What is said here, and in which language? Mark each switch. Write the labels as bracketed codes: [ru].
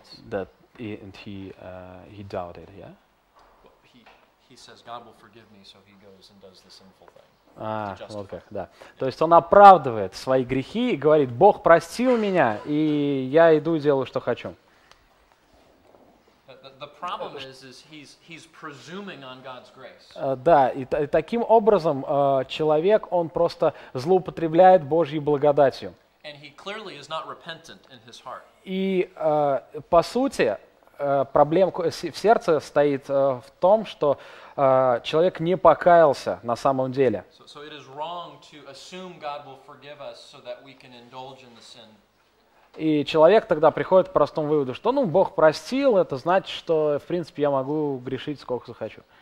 [en] That and he doubted, yeah? He says God will forgive me, so he goes and does the sinful thing. [ru] Вот как, да. [en] Yeah. [ru] То есть он оправдывает свои грехи и говорит, Бог простил меня, и я иду и делаю, что хочу. [en] The problem is he's presuming on God's grace. [ru] Да, и таким образом человек, он просто злоупотребляет Божьей благодатью. [en] And he clearly is not repentant in his heart. [ru] И по сути проблема в сердце стоит в том, что человек не покаялся на самом деле. [en] So it is wrong to assume God will forgive us so that we can indulge in the sin. [ru] И человек тогда приходит к простому выводу, что, ну, Бог простил, это значит, что, в принципе, я могу грешить сколько захочу.